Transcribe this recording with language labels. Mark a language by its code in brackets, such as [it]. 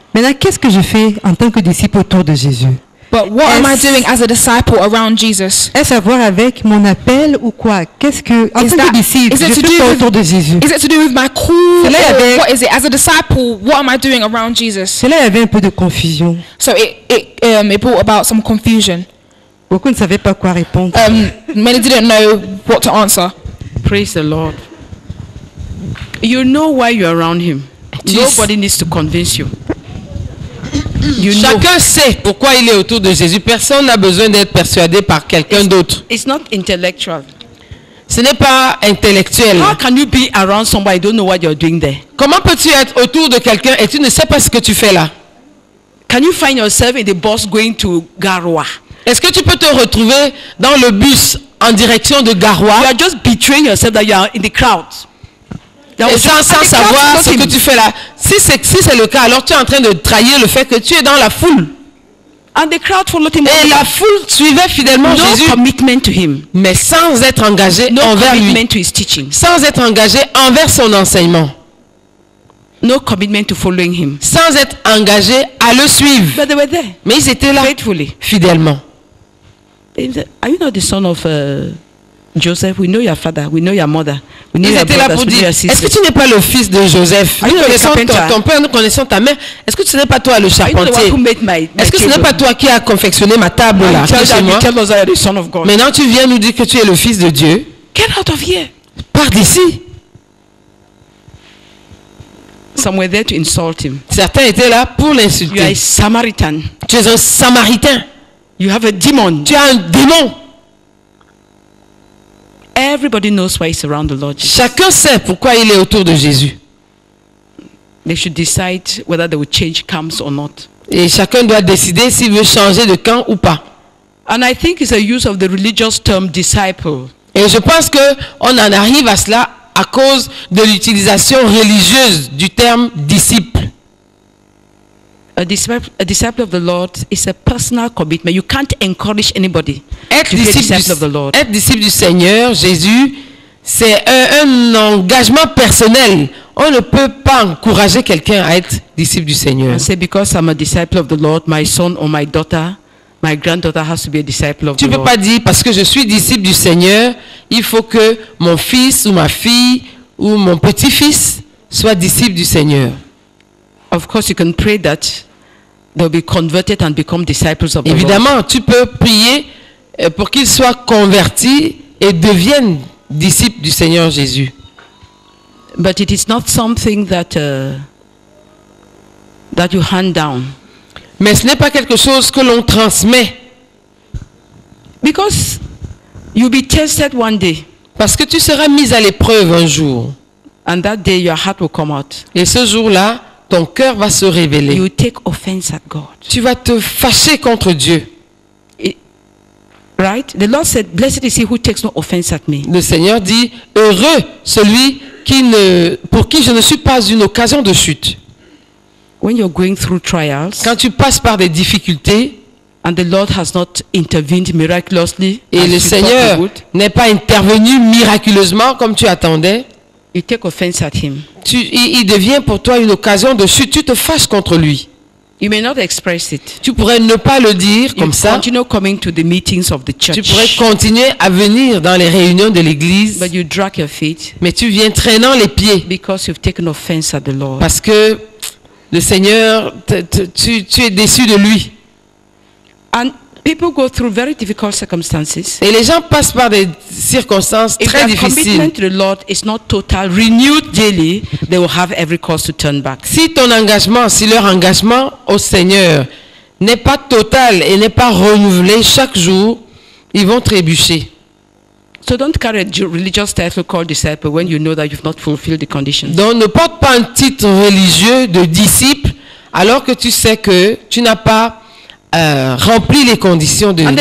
[fr] Mais là, qu'est-ce que je fais en tant que disciple autour de Jésus? [en] But what am I doing as a disciple around Jesus? [fr] Est-ce à voir avec mon appel ou quoi? Qu'est-ce que en tant que disciple, je fais quoi autour de Jésus? [en] Is it to do with my call? What is it as a disciple? What am I doing around Jesus? [fr] Cela avait un peu de confusion. [en] So it brought about some confusion. [fr] Beaucoup ne savaient pas quoi répondre. [en] Many didn't know what to answer. Praise the Lord. You know why you're around Him. Nobody needs to convince you. [fr] You Chacun know. Sait pourquoi il est autour de Jésus. Personne n'a besoin d'être persuadé par quelqu'un d'autre. [en] It's not intellectual. [fr] Ce n'est pas intellectuel. [en] How can you be around somebody don't know what you're doing there? [fr] Comment peux-tu être autour de quelqu'un et tu ne sais pas ce que tu fais là? [en] Can you find yourself in the bus going to Garoua? [fr] Est-ce que tu peux te retrouver dans le bus en direction de Garoua? [en] You are just betraying yourself that you are in the crowd. [fr] Et sans savoir ce que tu fais là. Si c'est le cas, alors tu es en train de trahir le fait que tu es dans la foule. [en] And the crowd followed him. [fr] Et la foule suivait fidèlement Jésus. [en] No commitment to him. [fr] Mais sans être engagé envers lui. [en] No commitment to his teaching. [fr] Sans être engagé envers son enseignement. [en] No commitment to following him. [fr] Sans être engagé à le suivre. [en] But they were there. [fr] Mais ils étaient là [en] faithfully. [fr] Fidèlement. [en] Are you not the son of Joseph, we know your father, we know your mother, we know [fr] ils [en] your brothers, [fr] là pour dire, [en] we know your [fr] est-ce que tu n'es pas le fils de Joseph? Nous connaissons ton père, nous connaissons ta mère. Est-ce que ce n'est pas toi le charpentier? Est-ce que ce n'est pas toi qui a confectionné ma table là? Maintenant tu viens nous dire que tu es le fils de Dieu. [en] Get out of here. [fr] Pars d'ici. [en] Somewhere there to insult him. [fr] Certains étaient là pour l'insulter. [en] You are a Samaritan. [fr] Tu es un Samaritain. [en] You have a demon. [fr] Tu as un démon. [en] Everybody knows why he's around the Lord Jesus. [fr] Chacun sait pourquoi il est autour de Jésus. [en] They should decide whether they will change camps or not. [fr] Et chacun doit décider s'il veut changer de camp ou pas. [en] And I think it's a use of the religious term disciple. [fr] Et je pense que on en arrive à cela à cause de l'utilisation religieuse du terme disciple. [en] A disciple of the Lord is a personal commitment. You can't encourage anybody. [fr] Être disciple du Seigneur Jésus, c'est un engagement personnel. On ne peut pas encourager quelqu'un à être disciple du Seigneur. [en] And say because I'm a disciple of the Lord, my son or my daughter, my granddaughter has to be a disciple of the Lord. [fr] Tu ne peux pas dire parce que je suis disciple du Seigneur, il faut que mon fils ou ma fille ou mon petit-fils soit disciple du Seigneur. [en] Of course, you can pray that they'll be converted and become disciples of the [fr] Évidemment, [en] Lord. [fr] Tu peux prier pour qu'ils soient convertis et deviennent disciples du Seigneur Jésus. [en] But it is not something that that you hand down. [fr] Mais ce n'est pas quelque chose que l'on transmet. [en] Because you'll be tested one day. [fr] Parce que tu seras mis à l'épreuve un jour. [en] And that day, your heart will come out. [fr] Et ce jour-là. Ton cœur va se révéler. [en] You take offense at God. [fr] Tu vas te fâcher contre Dieu. [en] Right? The Lord said, "Blessed is he who takes no offense at me." [fr] Le Seigneur dit, heureux celui qui ne, pour qui je ne suis pas une occasion de chute. [en] When you're going through trials, [fr] quand tu passes par des difficultés, [en] and the Lord has not intervened miraculously, [fr] et le Seigneur n'est pas intervenu miraculeusement comme tu attendais, [en] you take offense at him. [fr] Il devient pour toi une occasion de chute. Tu te fâches contre lui. [en] You may not express it. [fr] Tu pourrais ne pas le dire [en] you [fr] comme ça. [en] Continue coming to the meetings of the church. [fr] Tu pourrais continuer à venir dans les réunions de l'église. [en] But you drag your feet. [fr] Mais tu viens traînant les pieds. [en] Because you've taken offense at the Lord. [fr] Parce que le Seigneur, tu es déçu de lui. [en] And people go through very difficult circumstances. [fr] Et les gens passent par des circonstances [en] if [fr] très difficiles. [en] Commitment to the Lord is not total, renewed daily, they will have every cause to turn back. [fr] Si ton engagement, si leur engagement au Seigneur n'est pas total et n'est pas renouvelé chaque jour, ils vont trébucher. [en] So don't carry a religious title called disciple when you know that you've not fulfilled the conditions. [fr] Donc ne porte pas un titre religieux de disciple alors que tu sais que tu n'as pas remplit les conditions de